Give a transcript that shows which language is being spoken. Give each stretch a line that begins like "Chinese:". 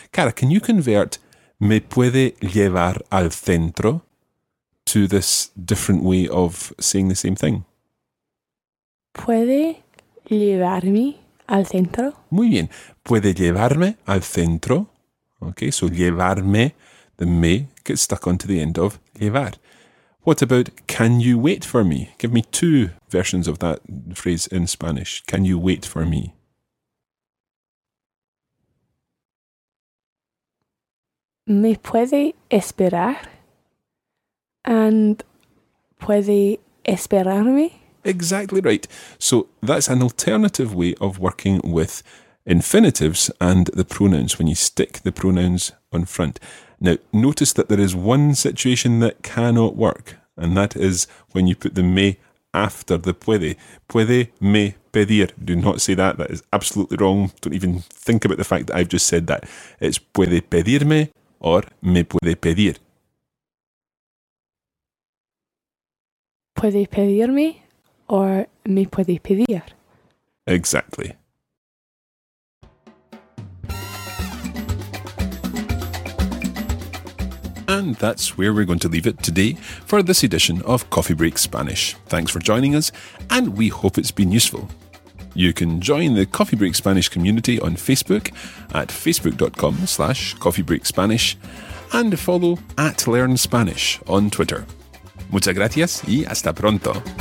English: Cara, can you convert
Spanish: ¿me puede llevar al centro?
English: To this different way of saying the same thing.
Spanish: ¿Puede llevarme al centro? Muy bien. ¿Puede llevarme al centro?
English: Okay, so llevarme. The me gets stuck onto the end of llevar. What about, can you wait for me? Give me two versions of that phrase in Spanish. Can you wait for me?
Spanish: Me puede esperar. And puede esperarme.
English: Exactly right. So that's an alternative way of working with infinitives and the pronouns, when you stick the pronouns on front. Now, notice that there is one situation that cannot work, and that is when you put the me after the puede.
Spanish: Puede me pedir.
English: Do not say that. That is absolutely wrong. Don't even think about the fact that I've just said that.
Spanish: It's puede pedirme or me puede pedir. Puede pedirme or me puede pedir.
English: Exactly. And that's where we're going to leave it today for this edition of Coffee Break Spanish. Thanks for joining us, and we hope it's been useful. You can join the Coffee Break Spanish community on Facebook at facebook.com/coffeebreakspanish and follow at Learn Spanish on Twitter.
Spanish: Muchas gracias y hasta pronto.